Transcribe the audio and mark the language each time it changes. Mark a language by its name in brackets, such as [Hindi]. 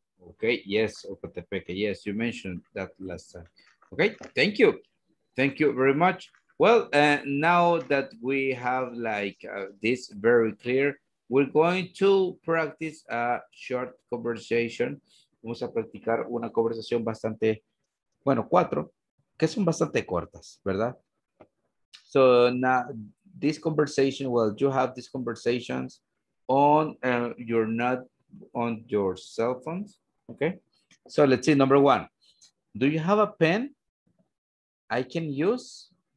[English] Okay, yes, Ocotepeque. Yes, you mentioned that last time. Okay, thank you. Thank you very much. Well, now that we have like this very clear, we're going to practice a short conversation. [Spanish] Vamos a practicar una conversación bastante, bueno, cuatro, que son bastante cortas, ¿verdad? [English] So now this conversation, well, you have these conversations on your not on your cell phones. Okay. So let's see. Number one, do you have a pen I can use?